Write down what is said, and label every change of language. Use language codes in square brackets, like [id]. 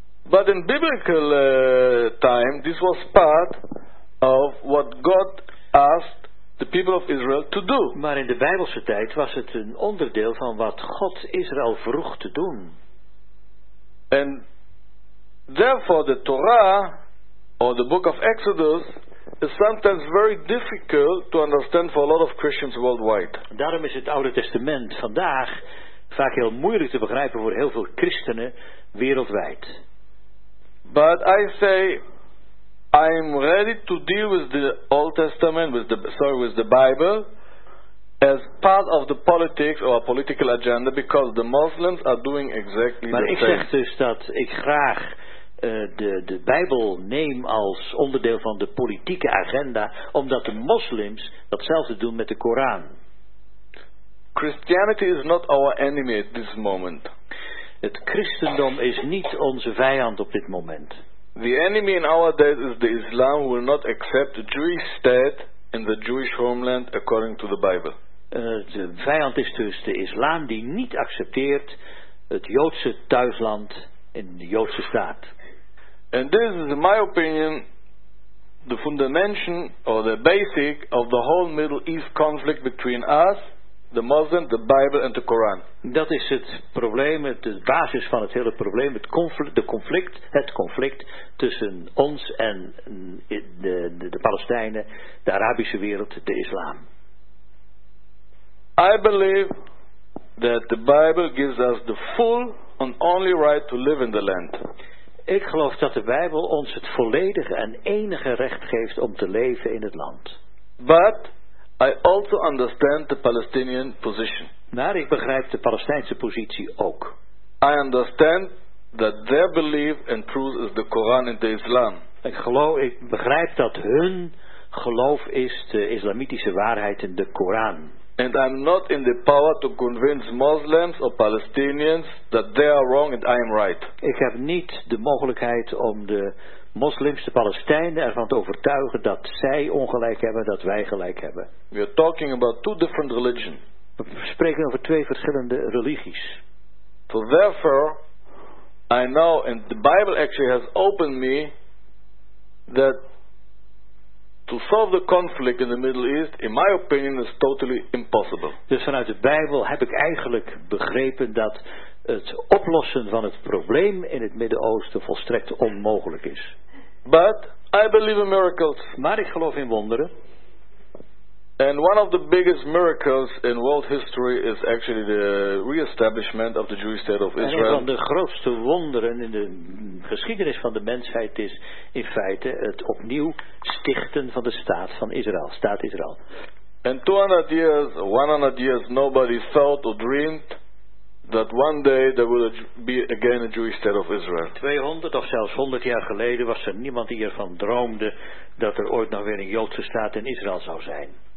[en] But in biblical time this was part of what God asked the people of Israel to do. [nl] Maar in de Bijbelse tijd was het een onderdeel van wat God Israël vroeg te doen. [en] And therefore the Torah or the book of Exodus is sometimes very difficult to understand for a lot of Christians worldwide. [nl] Daarom is het Oude Testament vandaag vaak heel moeilijk te begrijpen voor heel veel christenen wereldwijd. [en] But I say I'm ready to deal with the Old Testament with the Bible as part of the politics or a political agenda because the Muslims are doing exactly [nl] maar [en] the same. [nl] Maar ik zeg dus dat ik graag de Bijbel neem als onderdeel van de politieke agenda omdat de moslims datzelfde doen met de Koran. [en] Christianity is not our enemy at this moment. [nl] Het christendom is niet onze vijand op dit moment. [en] The enemy in our days is the Islam who will not accept the Jewish state in the Jewish homeland according to the Bible. [nl] De vijand is dus de islam die niet accepteert het Joodse thuisland in de Joodse staat. [en] And this is in my opinion the fundamental or the basic of the whole Middle East conflict between us, the Muslims, the Bible and the Quran. [nl] Dat is het probleem, de basis van het hele probleem, het conflict tussen ons en de Palestijnen, de Arabische wereld, de islam. [en] I believe that the Bible gives us the full and only right to live in the land. [nl] Ik geloof dat de Bijbel ons het volledige en enige recht geeft om te leven in het land. [en] But I also understand the Palestinian position. [nl] Maar ik begrijp de Palestijnse positie ook. [en] I understand that their belief and truth is the Koran and the Islam. [nl] Ik begrijp dat hun geloof is de islamitische waarheid en de Koran. [en] And I'm not in the power to convince Muslims or Palestinians that they are wrong and I am right. [nl] Ik heb niet de mogelijkheid om de moslims, de Palestijnen ervan te overtuigen dat zij ongelijk hebben, dat wij gelijk hebben. [en] We are talking about two different religions. [nl] We spreken over twee verschillende religies. [en] So therefore, I know, and the Bible actually has opened me that to solve the conflict in the Middle East, in my opinion, is totally impossible. [nl] Dus vanuit de Bijbel heb ik eigenlijk begrepen dat het oplossen van het probleem in het Midden-Oosten volstrekt onmogelijk is. [en] But I believe in miracles. [nl] Maar ik geloof in wonderen. [en] And one of the biggest miracles in world history is actually the re-establishment of the Jewish state of Israel. [nl] En een van de grootste wonderen in de geschiedenis van de mensheid is in feite het opnieuw stichten van de staat van Israël, staat Israël. [en] And 200 years, 100 years, nobody thought or dreamed that one day there would be again a Jewish state of Israel. [nl] 200 of zelfs 100 jaar geleden was er niemand die ervan droomde dat er ooit nog weer een Joodse staat in Israël zou zijn.